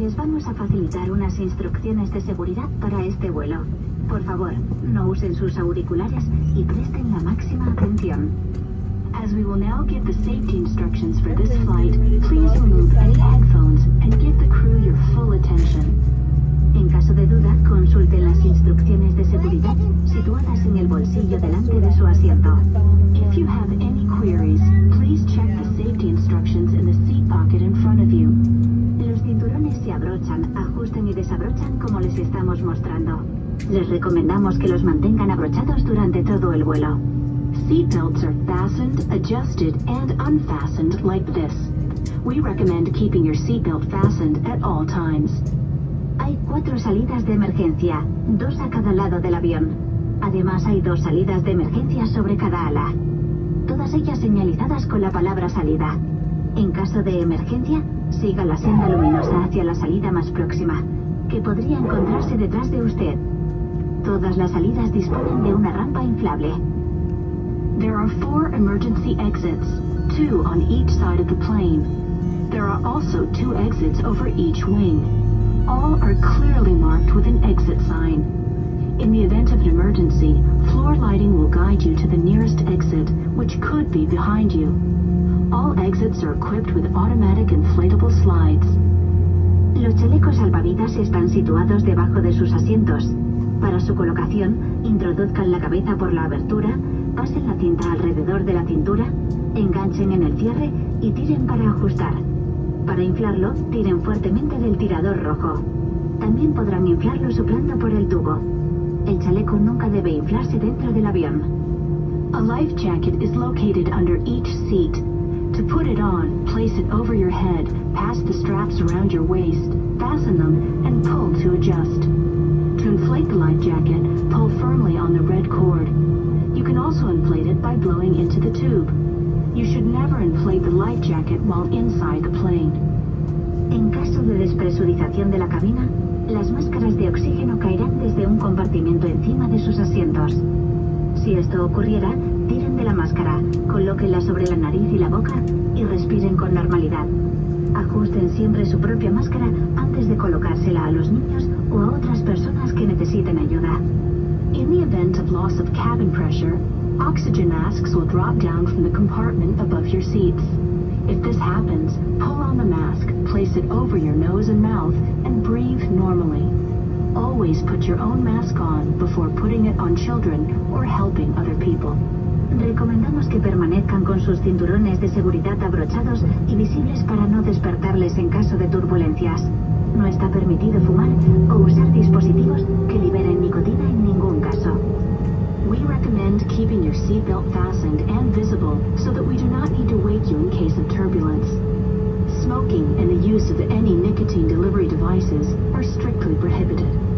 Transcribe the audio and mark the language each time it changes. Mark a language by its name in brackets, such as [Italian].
[Spanish] Les vamos a facilitar unas instrucciones de seguridad para este vuelo. Por favor, no usen sus auriculares y presten la máxima atención. [English] As we will now give the safety instructions for this flight, please remove any headphones and give the crew your full attention. [Spanish] En caso de duda, consulten las instrucciones de seguridad situadas en el bolsillo delante de su asiento. [English] If you have any queries, please check the safety instructions in the seat pocket in front of you. [Spanish] Los cinturones se abrochan, ajusten y desabrochan como les estamos mostrando. Les recomendamos que los mantengan abrochados durante todo el vuelo. [English] Seat belts are fastened, adjusted, and unfastened like this. We recommend keeping your seat belt fastened at all times. [Spanish] Hay cuatro salidas de emergencia, dos a cada lado del avión. Además, hay dos salidas de emergencia sobre cada ala. Todas ellas señalizadas con la palabra salida. En caso de emergencia, siga la senda luminosa hacia la salida más próxima, que podría encontrarse detrás de usted. Todas las salidas disponen de una rampa inflable. [English] There are four emergency exits, two on each side of the plane. There are also two exits over each wing. All are clearly marked with an exit sign. In the event of an emergency, floor lighting will guide you to the nearest exit, which could be behind you. All exits are equipped with automatic inflatable slides. [Spanish] Los chalecos salvavidas están situados debajo de sus asientos. Para su colocación, introduzcan la cabeza por la abertura, pasen la cinta alrededor de la cintura, enganchen en el cierre y tiren para ajustar. Para inflarlo, tiren fuertemente del tirador rojo. También podrán inflarlo soplando por el tubo. El chaleco nunca debe inflarse dentro del avión. [English] A life jacket is located under each seat. To put it on, place it over your head, pass the straps around your waist, fasten them, and pull to adjust. To inflate the life jacket, pull firmly on the red cord. You can also inflate it by blowing into the tube. You should never inflate the life jacket while inside the plane. [Spanish] En caso de despresurización de la cabina, las máscaras de oxígeno caerán desde un compartimento encima de sus asientos. Si esto ocurriera, tiren de la máscara, colóquenla sobre la nariz y la boca y respiren con normalidad. Ajusten siempre su propia máscara antes de colocársela a los niños o a otras personas que necesiten ayuda. [English] In the event of loss of cabin pressure, oxygen masks will drop down from the compartment above your seats. If this happens, pull on the mask, place it over your nose and mouth, and breathe normally. Always put your own mask on before putting it on children or helping other people. [Spanish] Recomendamos que permanezcan con sus cinturones de seguridad abrochados y visibles para no despertarles en caso de turbulencias. No está permitido fumar o usar dispositivos que liberen nicotina en ningún caso. [English] We recommend keeping your seatbelt fastened and visible so that we do not need to wake you in case of turbulence. Smoking and the use of any nicotine delivery devices are strictly prohibited.